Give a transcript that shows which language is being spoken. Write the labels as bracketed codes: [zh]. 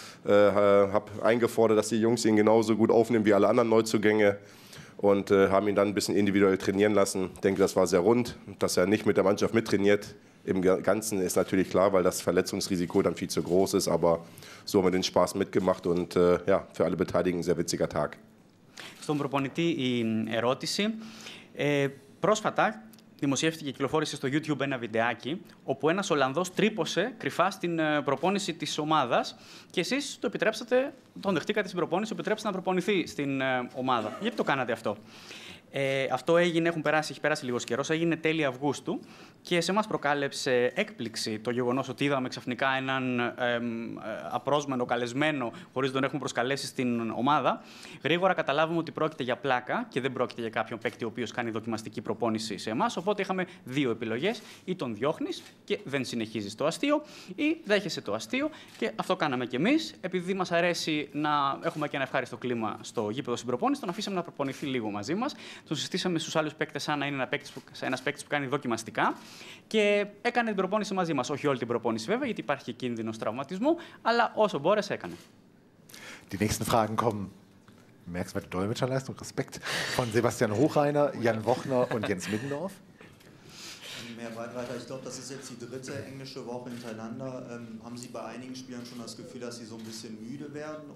[de] Habe eingefordert, dass die Jungs ihn genauso gut aufnehmen wie alle anderen Neuzugänge. Und haben ihn dann ein bisschen individuell trainieren lassen. Ich denke, das war sehr rund, dass er nicht mit der Mannschaft mittrainiert. Im Ganzen ist natürlich klar, weil das Verletzungsrisiko dann viel zu groß ist. Aber so haben wir den Spaß mitgemacht und ja, für alle Beteiligten ein sehr witziger Tag. [el] Στον προπονητή η ερώτηση. Πρόσφατα δημοσιεύτηκε και κυκλοφόρησε στο YouTube ένα βιντεάκι όπου ένας Ολλανδός τρύπωσε κρυφά στην προπόνηση της ομάδας και εσείς το επιτρέψατε, τον δεχτήκατε στην προπόνηση, επιτρέψατε να προπονηθεί στην ομάδα. Γιατί το κάνατε αυτό? Αυτό έγινε, έχουν περάσει λίγος καιρός, έγινε τέλη Αυγούστου και σε μας προκάλεψε έκπληξη το γεγονός ότι είδαμε ξαφνικά έναν απρόσμενο καλεσμένο χωρίς να τον έχουμε προσκαλέσει στην ομάδα. Γρήγορα καταλάβουμε ότι πρόκειται για πλάκα και δεν πρόκειται για κάποιον παίκτη ο οποίος κάνει δοκιμαστική προπόνηση σε εμάς. Οπότε είχαμε δύο επιλογές, ή τον διώχνεις και δεν συνεχίζεις το αστείο, ή δέχεσαι το αστείο και αυτό κάναμε κι εμείς. Επειδή μας αρέσει να έχουμε και ένα ευχάριστο κλίμα στο γήπεδο στην προπόνηση, τον αφήσαμε να προπονηθεί λίγο μαζί μας. Τον συστήσαμε στους άλλους παίκτες σαν να είναι ένας παίκτης που κάνει δοκιμαστικά και έκανε την προπόνηση μαζί μας. Όχι όλη την προπόνηση βέβαια, γιατί υπάρχει κίνδυνος τραυματισμού, αλλά όσο μπόρεσε έκανε. [de] Die nächsten Fragen kommen. Merkst du bei der Dolmetscherleistung? Respekt. Von Sebastian Hochreiner, Jan Wochner und Jens Middendorf. Herr Breitreiter, ich glaube, das ist jetzt die dritte englische Woche hintereinander. Haben Sie bei einigen Spielern schon das Gefühl, dass Sie so ein bisschen müde werden?